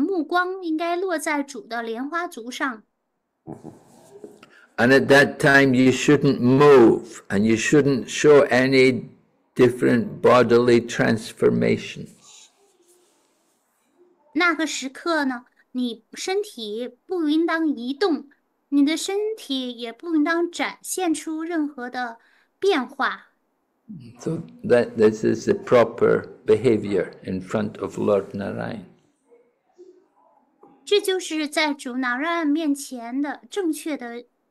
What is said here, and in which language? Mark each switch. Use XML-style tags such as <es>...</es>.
<zh>你应当双手合十，而且目光应该落在主的莲花足上。</zh> <en>And at that time, you shouldn't move, and you shouldn't show any different bodily transformations.</en> <zh>那个时刻呢，你身体不应当移动，你的身体也不应当展现出任何的变化。</zh> <en>So that this is the proper behavior in front of Lord Narayan.</en> <zh>这就是在主Narayan面前的正确的。</zh>